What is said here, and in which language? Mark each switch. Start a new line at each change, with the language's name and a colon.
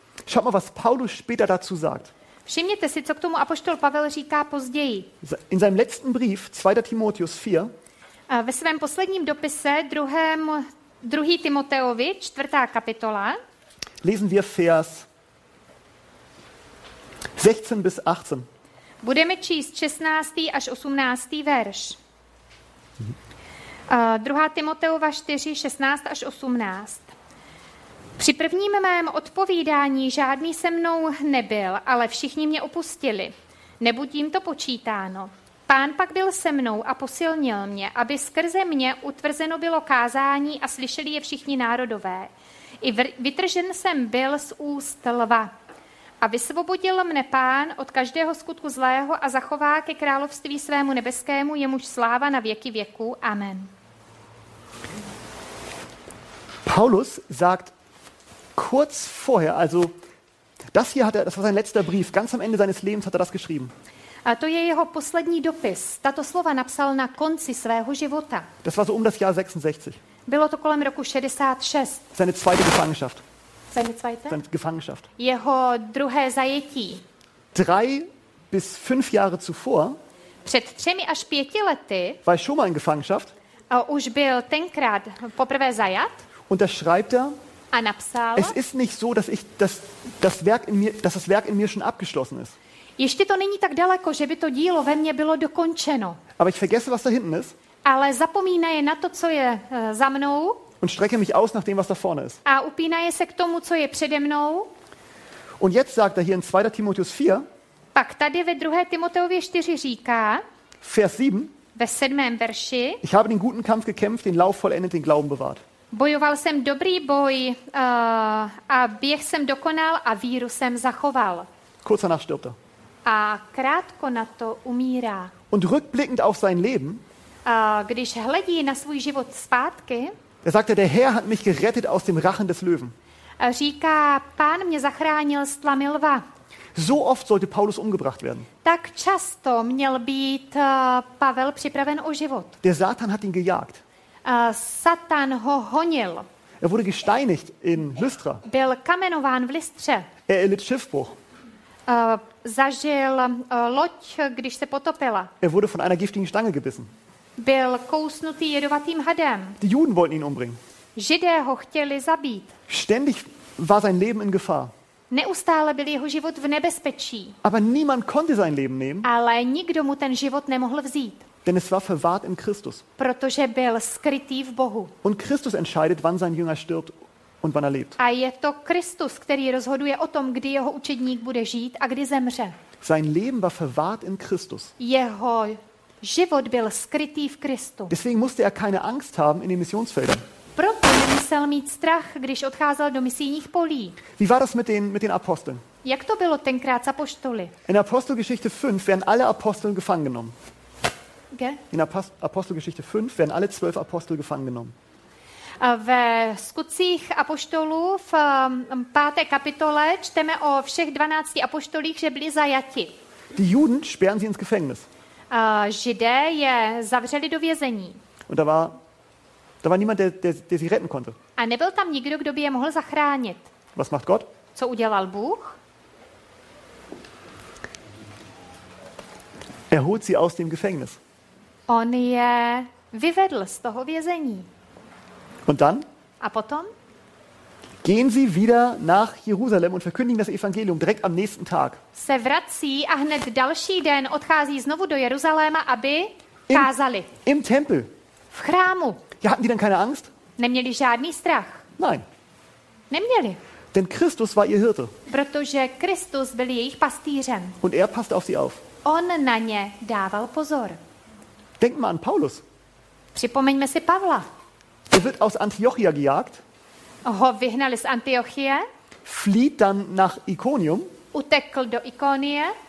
German: Schaut mal, was Paulus später dazu sagt.
Czech: Všimněte si, co k tomu apoštol Pavel říká později.
German: In seinem letzten Brief, 2. Timotheus 4.
Czech: A ve svém posledním dopise, 2. Timoteovi, 4. kapitola.
German: Lesen wir Vers 16 bis 18.
Czech: Budeme číst 16. až 18. verš. 2. Timoteova 4, 16 až 18. Při prvním mém odpovídání žádný se mnou nebyl, ale všichni mě opustili. Nebudí jim to počítáno. Pán pak byl se mnou a posilnil mě, aby skrze mě utvrzeno bylo kázání a slyšeli je všichni národové. I vytržen jsem byl z úst lva. A vysvobodil mne pán od každého skutku zlého a zachová ke království svému nebeskému, jemuž sláva na věky věku. Amen.
German: Paulus sagt kurz vorher, also das hier hat er, das war sein letzter Brief, ganz am Ende seines Lebens hat er das geschrieben.
Czech: A to je jeho poslední dopis. Tato slova napsal na konci svého života.
German: Das war so um das Jahr 66.
Czech: Bylo to kolem roku 66.
German: Seine zweite Gefangenschaft. Seine Gefangenschaft.
Czech: Jeho druhé zajetí.
German: 3 bis 5 Jahre zuvor.
Czech: Před 3 až 5 lety.
German: War schon mal in Gefangenschaft.
Czech: A už byl tenkrát poprvé zajat.
German: Und da schreibt er.
Czech: A napsal.
German: Es ist nicht so, dass ich das Werk in mir, dass das Werk in mir schon abgeschlossen ist.
Czech: Ještě to není tak daleko, že by to dílo ve mně bylo dokončeno.
German: Aber ich vergesse, was da hinten ist.
Czech: Ale zapomíná je na to, co je za mnou.
German: Und strecke mich aus nach dem, was da vorne ist.
Czech: A upíná je se k tomu, co je přede mnou.
German: Und jetzt sagt er hier in 2. Timotheus 4.
Czech: Pak tady ve 2. Timoteovi 4 říká.
German: Vers 7.
Czech: Ve 7. verši.
German: Ich habe den guten Kampf gekämpft, den Lauf vollendet, den Glauben bewahrt.
Czech: Bojoval jsem dobrý boj a běh jsem dokonal a víru jsem zachoval.
German: Kurz danach stirbt er.
Czech: A krátko na to umírá.
German: Und rückblickend auf sein Leben.
Czech: Když hledí na svůj život zpátky.
German: Er sagte, der Herr hat mich gerettet aus dem Rachen des Löwen.
Czech: Říká, pán mě zachránil z tlamy lva.
German: So oft sollte Paulus umgebracht werden.
Czech: Tak často měl být Pavel připraven o život.
German: Der Satan hat ihn gejagt.
Czech: Satan ho honil.
German: Er wurde gesteinigt in Lystra.
Czech: Byl kamenován v Lystře.
German: Er erlitt Schiffbruch.
Czech: Zažil loď, když se potopila.
German: Er wurde von einer giftigen Stange gebissen.
Czech: Byl kousnutý jedovatým hadem.
German: Die Juden wollten ihn umbringen.
Czech: Židé ho chtěli zabít.
German: Ständig war sein Leben in Gefahr.
Czech: Neustále byl jeho život v nebezpečí.
German: Aber niemand konnte sein Leben nehmen.
Czech: Ale nikdo mu ten život nemohl vzít.
German: Denn es war verwahrt in Christus.
Czech: Protože byl skrytý v Bohu.
German: Und Christus entscheidet, wann sein Jünger stirbt und wann er lebt.
Czech: A je to Kristus, který rozhoduje o tom, kdy jeho učedník bude žít a kdy zemře.
German: Sein Leben war verwahrt in Christus.
Czech: Jeho život byl skrytý v Kristu.
German: Deswegen musste er keine Angst haben in den Missionsfeldern.
Czech: Proto nemusel mít strach, když odcházel do misijních polí.
German: Wie war das mit den Aposteln?
Czech: Jak to bylo tenkrát s apoštoly?
German: In Apostelgeschichte 5 werden alle Aposteln gefangen genommen. In Apostelgeschichte 5 werden alle 12 Apostel gefangen genommen.
Czech: Ve Skutcích apoštolů v 5. kapitole čteme o všech 12 apoštolích, že byli zajati.
German: Die Juden sperren sie ins Gefängnis.
Czech: Židé je zavřeli do vězení.
German: Und da war niemand, der sie retten konnte.
Czech: A nebyl tam nikdo, kdo by je mohl zachránit.
German: Was macht Gott?
Czech: Co udělal Bůh?
German: Er holt sie aus dem Gefängnis.
Czech: On je vyvedl z toho vězení.
German: Und dann?
Czech: A potom?
German: Gehen sie wieder nach Jerusalem und verkündigen das Evangelium direkt am nächsten Tag.
Czech: Se vrací a hned další den odchází znovu do Jeruzaléma, aby kázali.
German: Im Tempel.
Czech: V chrámu.
German: Ja, hatten die dann keine Angst?
Czech: Neměli žádný strach?
German: Nein.
Czech: Neměli.
German: Denn Christus war ihr Hirte.
Czech: Protože Kristus byl jejich pastýřem.
German: Und er passte auf sie auf.
Czech: On na ně dával pozor.
German: Denk mal an Paulus.
Czech: Připomeňme si Pavla.
German: Er wird aus Antiochia gejagt.
Czech: Ho vyhnali z Antiochie.
German: Flieht dann nach Iconium.
Czech: Utekl do Ikonie.